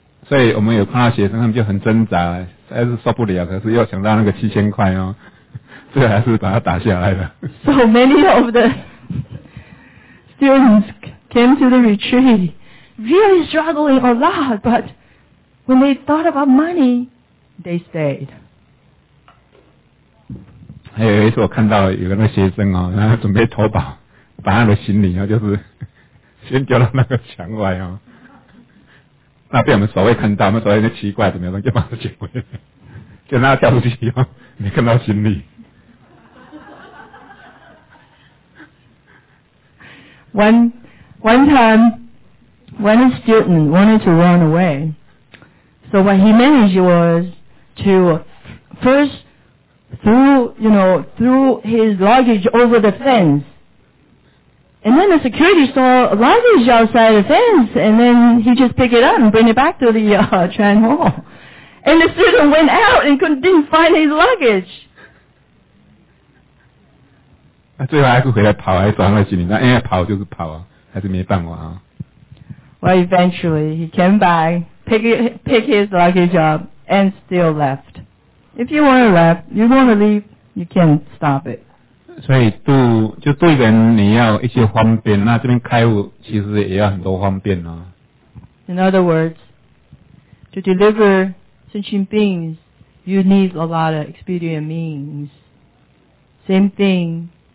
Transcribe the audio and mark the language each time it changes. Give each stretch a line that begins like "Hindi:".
English: So we have seen students, they are very struggling, they are not able to handle it, but they still want that $7,000. So many of the students came to the retreat really struggling a lot, but when they thought about money, they stayed.
Chinese: 还有一次我看到有个那学生哦，他准备投保，把他的行李哦，就是先丢到那个墙外哦，那被我们守卫看到，我们守卫就奇怪怎么样，就把他捡回来，就让他跳出去哦，没看到行李。
English: One time, a student wanted to run away. So what he managed was to first threw his luggage over the fence. And then the security saw luggage outside the fence, and then he just picked it up and bring it back to the train hall. And the student went out and didn't find his luggage.
Chinese: 那最后还是回来跑，还找那行李。那因为跑就是跑啊，还是没办法啊。
English: Well, eventually he came back, pick his luggage up, and still left. If you want to left, you want to leave, you can't stop it.
Chinese: 所以度就度一个人，你要一些方便。那这边开悟其实也要很多方便啊。
English: In other words, to deliver sentient beings, you need a lot of expedient means. Same thing.